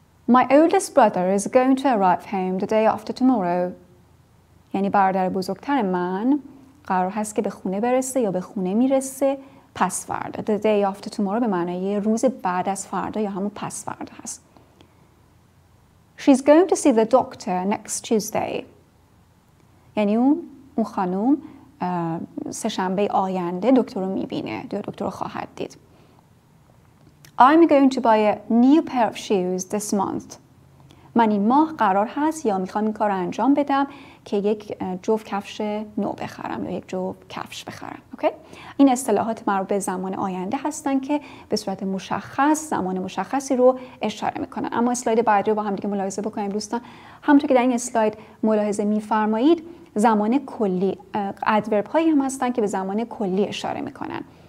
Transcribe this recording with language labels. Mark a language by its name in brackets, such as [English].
[English] My oldest brother is going to arrive home the day after tomorrow. [Persian] یعنی برادر بزرگتر من قرار هست که به خونه برسه یا به خونه میرسه پس فردا. [English] The day after tomorrow [Persian] به معنی روز بعد از فردا یا همون پس فردا هست. [English] She's going to see the doctor next Tuesday. [Persian] یعنی اون خانم سه شنبه آینده دکتر رو میبینه یا دکتر رو خواهد دید. [English] I'm going to buy a new pair of shoes this month. [Persian] من این ماه قرار هست یا میخوام این کار رو انجام بدم که یک جفت کفش نو بخرم یا یک جفت کفش بخرم. [English] Okay? [Persian] این اصطلاحات مربوط به زمان آینده هستن که به صورت مشخص زمان مشخصی رو اشاره میکنن. اما اسلاید بعدی رو با هم دیگه ملاحظه بکنیم دوستان. همونطور که در این اسلاید ملاحظه میفرمایید، زمان کلی ادورب هایی هم هستن که به زمان کلی اشاره میکنن.